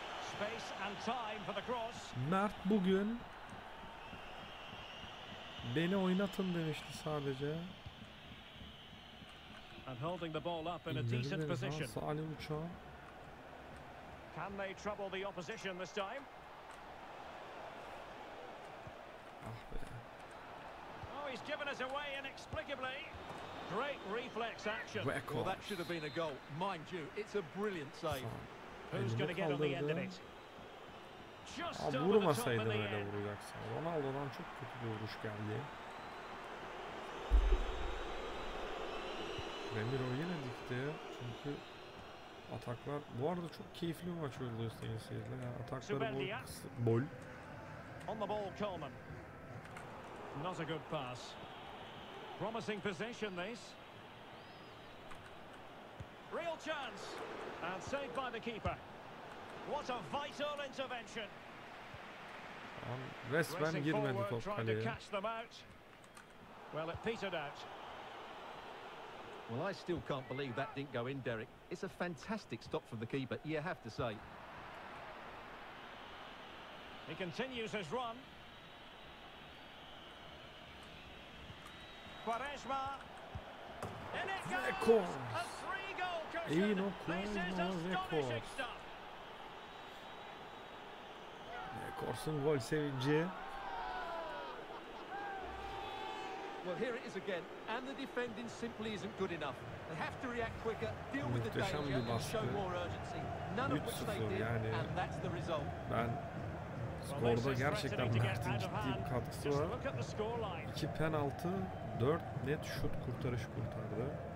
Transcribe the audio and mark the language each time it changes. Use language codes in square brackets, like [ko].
[en] Space and time for the cross. [tr] Mert bugün beni oynatın demişti sadece. [en] And holding the ball up in a decent position. Salih Uçan. Can they trouble the opposition this time? [tr] Ah be. [en] given us away inexplicably. Great reflex action. Well, that should have been a goal. Mind you, it's a brilliant save. Who's going to get on the end of it? [tr] Abi vurmasaydın öyle vuracaksın. Ronaldo'dan çok kötü bir vuruş geldi. Demir o yine dikti. Çünkü ataklar... Bu arada çok keyifli bir maç oldu senin seyirle. Yani atakları bol. Bol. [en] On the ball, Coleman. Not a good pass. Promising possession this. Real chance. And saved by the keeper. What a vital intervention. [tr] Resmen girmedi top kaleye. [en] Well, it petered out. Well, I still can't believe that didn't go in, Derek. It's a fantastic stop from the keeper, you have to say. He continues his run. Quaresma. In it goes. Records. A three-goal cushion. This is astonishing stuff. [tr] Korsun gol sevinci. [en] Well, here it is again, and the defending simply isn't good enough. They have to react quicker, deal with the danger, and show more urgency. None of which they did, [tr] yani, [en] and that's the result. [tr] Ben skorda gerçekten Mert'in ciddi bir katkısı var. İki penaltı, dört net şut kurtarış kurtardı.